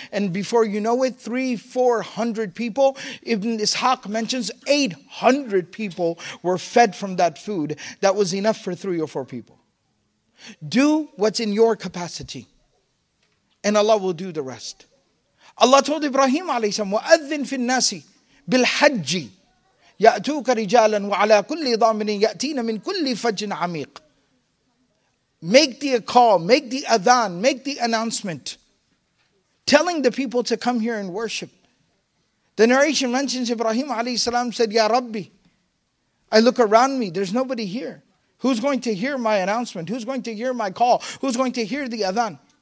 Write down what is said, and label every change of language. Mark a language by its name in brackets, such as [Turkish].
[English] And before you know it, 300-400 people. Ibn Ishaq mentions 800 people were fed from that food. That was enough for 3 or 4 people. Do what's in your capacity, and Allah will do the rest. Allah told Ibrahim ﷺ, [Arabic] وَأَذِّنْ فِي النَّاسِ بِالْحَجِّ يَأْتُوكَ رِجَالًا وَعَلَىٰ كُلِّ ضَامِنٍ يَأْتِينَ مِنْ كُلِّ فَجٍ عَمِيقٍ. [English] Make the call, make the adhan, make the announcement, telling the people to come here and worship. The narration mentions Ibrahim alayhi salam said, Ya Rabbi, I look around me, there's nobody here. Who's going to hear my announcement? Who's going to hear my call? Who's going to hear the adhan?